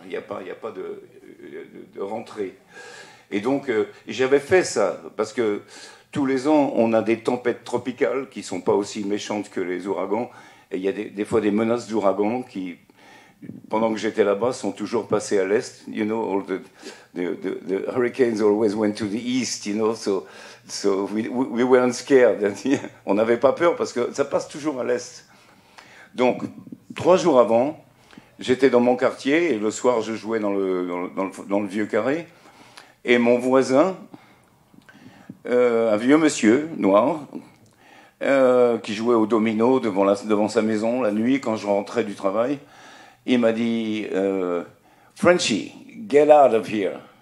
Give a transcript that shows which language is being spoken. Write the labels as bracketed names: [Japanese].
[French] Il n'y a pas de rentrée. Et donc, j'avais fait ça, parce que tous les ans, on a des tempêtes tropicales qui ne sont pas aussi méchantes que les ouragans. Et il y a des fois des menaces d'ouragans qui, pendant que j'étais là-bas, sont toujours passées à l'est. [English] You know, all the hurricanes always went to the east, you know, so we weren't scared. [French] On n'avait pas peur parce que ça passe toujours à l'est. Donc, trois jours avant, j'étais dans mon quartier et le soir, je jouais dans le vieux carré. Et mon voisin, un vieux monsieur noir, qui jouait au domino devant sa maison la nuit quand je rentrais du travail, il m'a dit « Frenchie, [English] get out of here.